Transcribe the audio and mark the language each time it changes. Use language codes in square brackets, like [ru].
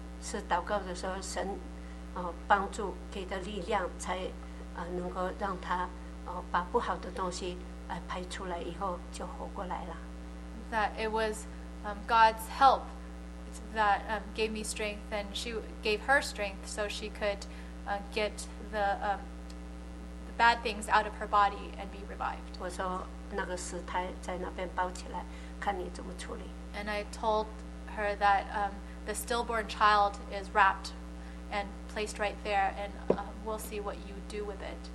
[zh] 是祷告的时候，神帮助给的力量才能够让她把不好的东西排出来以后就活过来了。 [en] That it was God's help that gave me strength, and she gave her strength so she could get the bad things out of her body and be revived. [zh] 我说那个死胎在那边包起来，看你怎么处理。 [en] And I told her that the stillborn child is wrapped and placed right there, and we'll see what you do with it.